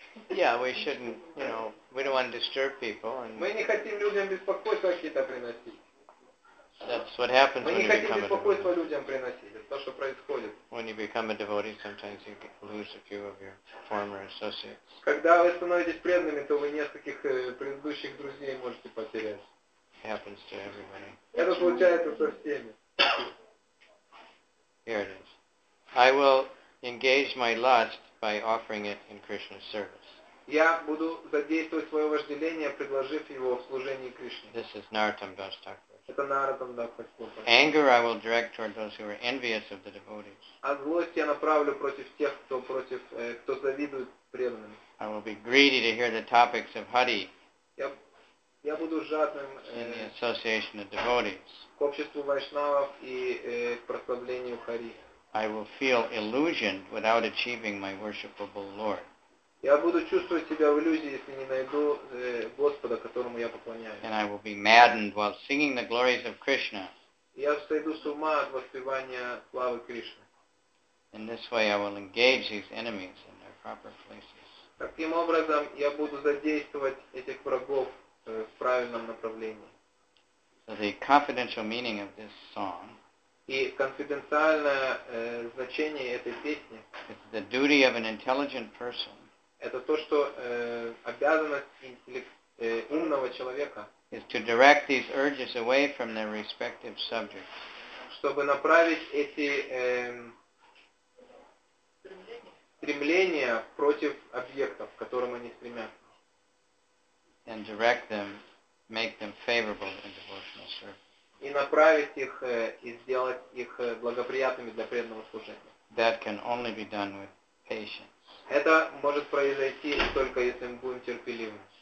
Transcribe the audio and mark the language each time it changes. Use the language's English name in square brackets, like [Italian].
[English] Yeah, we shouldn't, you know, we don't want to disturb people. And [Russian] мы не хотим людям беспокойство какие-то приносить. [English] That's what happens when you become a devotee. [Russian] Мы не хотим беспокойство людям приносить. Это то, что происходит. [English] When you become a devotee, sometimes you lose a few of your former associates. [Russian] Когда вы становитесь преданными, то вы нескольких предыдущих друзей можете потерять. [English] It happens to everybody. [Russian] Это случается со всеми. [English] Here it is. I will engage my lust by offering it in Krishna's service. [Russian] Я буду задействовать свое вожделение, предложив его в служении Кришне. [English] This is Narottam Das Thakur. [Russian] Это Narottam Das Thakur. [English] Anger I will direct toward those who are envious of the devotees. [Russian] А злость я направлю против тех, кто против, кто завидует преданным. [English] I will be greedy to hear the topics of Hari. [Russian] Я буду жадным. [English] In the association of devotees. [Russian] К обществу вайшнавов и к прославлению Хари. [English] I will feel illusioned without achieving my worshipable Lord. [Russian] Я буду чувствовать себя в иллюзии, если не найду Господа, которому я поклоняюсь. [English] And I will be maddened while singing the glories of Krishna. [Russian] Я сойду с ума от воспевания славы Кришны. [English] In this way I will engage these enemies in their proper places. [Russian] Таким образом я буду задействовать этих врагов в правильном направлении. [English] So the confidential meaning of this song. [Russian] И конфиденциальное значение этой песни. [English] It's the duty of an intelligent person. [Russian] Это то, что обязанность умного человека. [English] Is to direct these urges away from their respective subjects. [Russian] Чтобы направить эти стремления против объектов, к которым они стремятся. [English] And direct them, make them favorable in devotional service. [Russian] И направить их и сделать их благоприятными для преданного служения. [English] That can only be done with patience. [Russian] Это может произойти только если мы будем терпеливы.